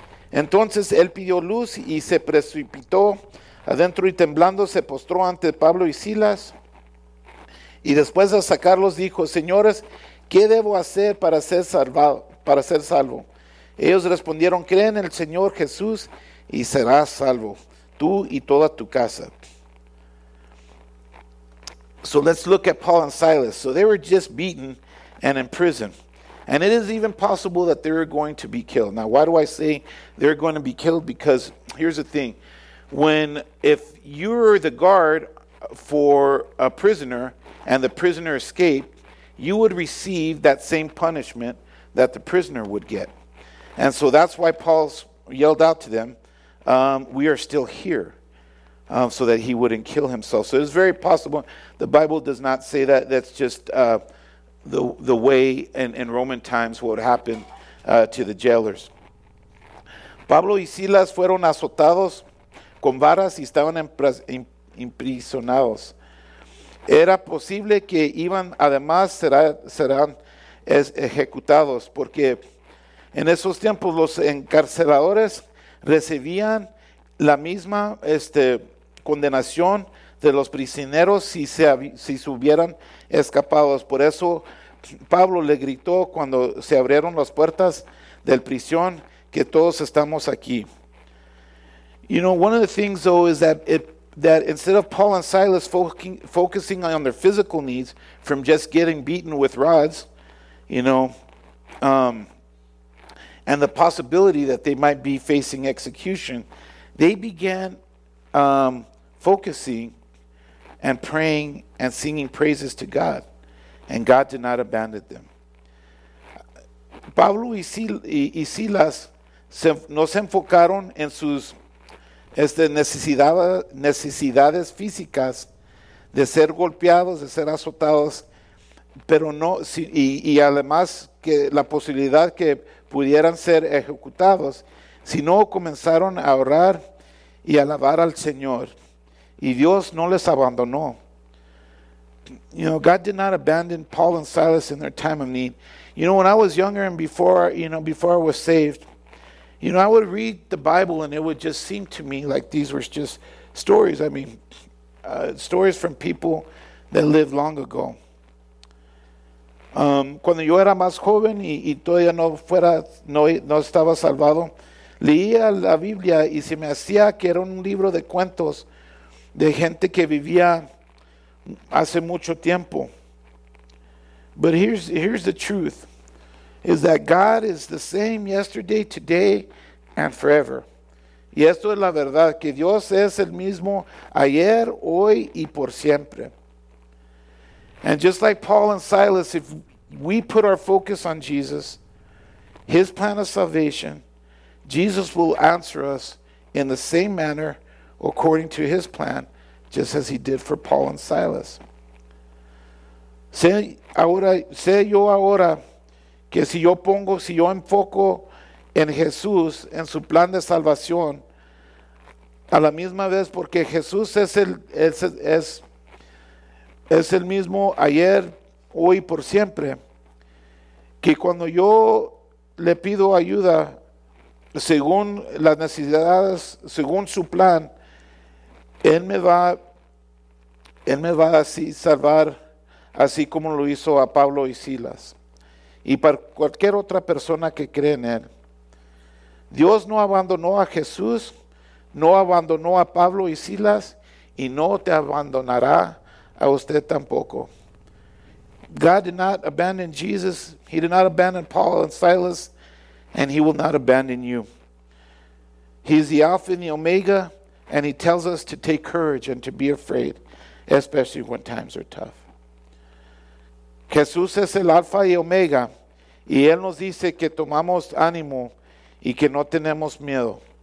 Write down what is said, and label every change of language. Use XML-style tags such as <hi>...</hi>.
<es>Entonces él pidió luz y se precipitó adentro y temblando se postró ante Pablo y Silas. Y después de sacarlos dijo, señores, ¿qué debo hacer para ser salvado, para ser salvo? Ellos respondieron, cree en el Señor Jesús y serás salvo, tú y toda tu casa.</es> <en>So let's look at Paul and Silas. So they were just beaten and in prison. And it is even possible that they were going to be killed. Now, why do I say they're going to be killed? Because here's the thing. If you're the guard for a prisoner and the prisoner escaped, you would receive that same punishment that the prisoner would get. And so that's why Paul yelled out to them, we are still here. So that he wouldn't kill himself. So it's very possible. The Bible does not say that. That's just the way in Roman times what happened to the jailers.</en> <es>Pablo y Silas fueron azotados con varas y estaban imprisionados. Era posible que iban además serán ejecutados porque en esos tiempos los encarceladores recibían la misma condenación de los prisioneros si se hubieran escapado. Por eso Pablo le gritó cuando se abrieron las puertas del prisión que todos estamos aquí.</es> <en>You know, one of the things though is that that instead of Paul and Silas focusing on their physical needs from just getting beaten with rods, you know, and the possibility that they might be facing execution, they began focusing and praying and singing praises to God, and God did not abandon them.</en> <es>Pablo y Silas no se enfocaron en sus necesidades físicas de ser golpeados, de ser azotados, pero no y además que la posibilidad que pudieran ser ejecutados, sino comenzaron a orar y alabar al Señor. Y Dios no les abandonó.</es> <en>You know, God did not abandon Paul and Silas in their time of need. You know, when I was younger and before I was saved, you know, I would read the Bible and it would just seem to me like these were just stories. I mean, stories from people that lived long ago.</en> <es>Cuando yo era más joven y todavía no estaba salvado, leía la Biblia y se me hacía que era un libro de cuentos de gente que vivía hace mucho tiempo.</es> <en>But here's the truth, is that God is the same yesterday, today, and forever.</en> <es>Y esto es la verdad, que Dios es el mismo ayer, hoy, y por siempre.</es> <en>And just like Paul and Silas, if we put our focus on Jesus, his plan of salvation, Jesus will answer us in the same manner according to his plan, just as he did for Paul and Silas.</en> <es>Sé yo ahora que si yo enfoco en Jesús, en su plan de salvación, a la misma vez, porque Jesús es el mismo ayer, hoy, por siempre, que cuando yo le pido ayuda según las necesidades, según su plan, Él me va a salvar, así como lo hizo a Pablo y Silas. Y para cualquier otra persona que cree en Él. Dios no abandonó a Jesús, no abandonó a Pablo y Silas, y no te abandonará a usted tampoco.</es> <en>God did not abandon Jesus, he did not abandon Paul and Silas, and he will not abandon you. He is the Alpha and the Omega, and he tells us to take courage and to be afraid, especially when times are tough.</en> <es>Jesús es el Alfa y Omega, y Él nos dice que tomamos ánimo y que no tenemos miedo.</es>